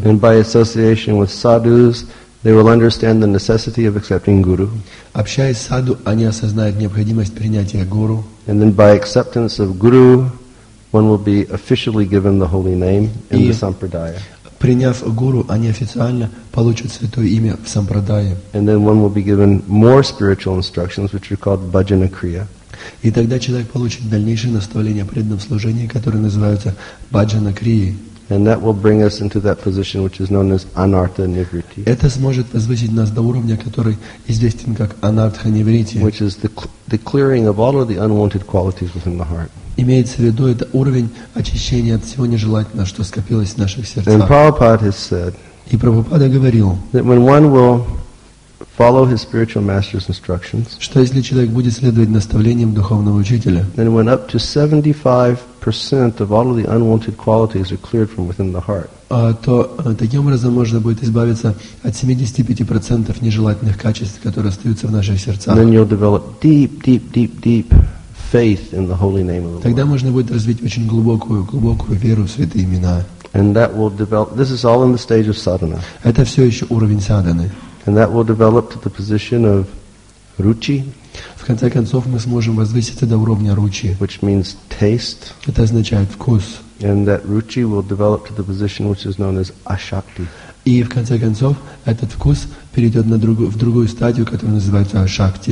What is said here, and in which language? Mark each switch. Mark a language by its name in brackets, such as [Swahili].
[English] And by association with sadhus, they will understand the necessity of accepting guru. [Russian] Общаясь с саду, они осознают необходимость принятия гуру. [English] And then by acceptance of guru, one will be officially given the holy name in the sampradaya. [Russian] Приняв гуру, они официально получат святое имя в сампрадае. [English] And then one will be given more spiritual instructions, which are called bhajana kriya. [Russian] И тогда человек получит дальнейшее наставление о преданном служении, которое называется баджана крии. Это сможет возвысить нас до уровня, который известен как анартха неврити. Имеется в виду, это уровень очищения от всего нежелательного, что скопилось в наших сердцах. [English] And Prabhupada has said, [Russian] и Прабхупада говорил, [English] that when one will follow his spiritual master's instructions, [Russian] что если человек будет следовать наставлениям духовного учителя, [English] then when up to 75% of all of the unwanted qualities are cleared from within the heart, [Russian] то таким образом можно будет избавиться от 75% нежелательных качеств, которые остаются в наших сердцах. [English] Then you'll develop deep faith in the holy name of the Lord. [Russian] Тогда можно будет развить очень глубокую веру в святые имена. [English] And that will develop. This is all in the stage of sadhana. [Russian] Это все еще уровень садханы. [English] And that will develop to the position of ruchi. [Russian] В конце концов мы сможем возвыситься до уровня ручи, [English] which means taste. [Russian] Это означает вкус. [English] And that ruchi will develop to the position which is known as ashakti. [Russian] И в конце концов этот вкус перейдет на в другую стадию, которая называется ашакти.